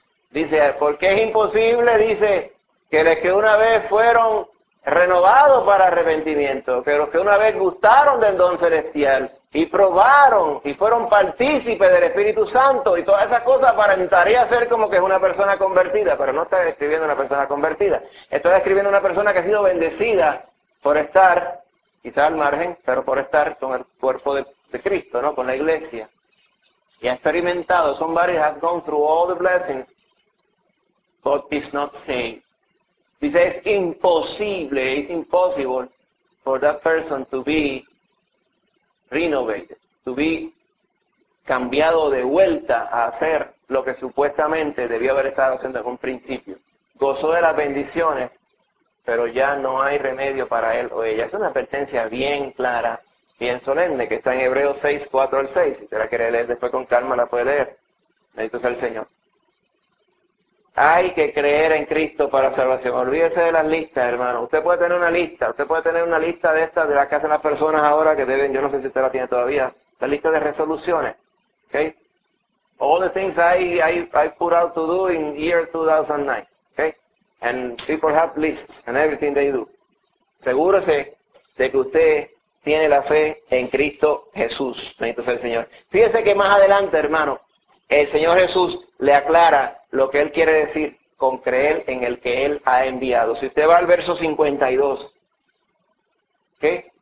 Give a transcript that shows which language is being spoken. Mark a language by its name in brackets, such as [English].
[Spanish] Dice, porque es imposible, dice, que los que una vez fueron renovados para arrepentimiento, que los que una vez gustaron del don celestial y probaron y fueron partícipes del Espíritu Santo y todas esas cosas aparentaría ser como que es una persona convertida, pero no está describiendo una persona convertida. Está describiendo una persona que ha sido bendecida por estar, quizá al margen, pero por estar con el cuerpo de Cristo, ¿no? Con la iglesia. Y ha experimentado, son varios, [English] has gone through all the blessings, but is not saved. [Spanish] Dice, es imposible, [English] it's impossible for that person to be [Spanish] renovated, to be cambiado de vuelta a hacer lo que supuestamente debió haber estado haciendo en un principio. Gozó de las bendiciones, pero ya no hay remedio para él o ella. Es una advertencia bien clara, bien solemne, que está en Hebreos 6, 4 al 6. Si usted la quiere leer después con calma, la puede leer. Bendito sea el Señor. Hay que creer en Cristo para salvación. Olvídese de las listas, hermano. Usted puede tener una lista. Usted puede tener una lista de estas, de las que hacen las personas ahora, que deben, yo no sé si usted la tiene todavía, la lista de resoluciones. ¿Okay? [English] All the things I put out to do in year 2009. ¿Okay? And people have lists and everything they do. [Spanish] Asegúrese de que usted tiene la fe en Cristo Jesús. Bendito sea el Señor. Fíjese que más adelante, hermano, el Señor Jesús le aclara lo que Él quiere decir con creer en el que Él ha enviado. Si usted va al verso 52, ¿qué?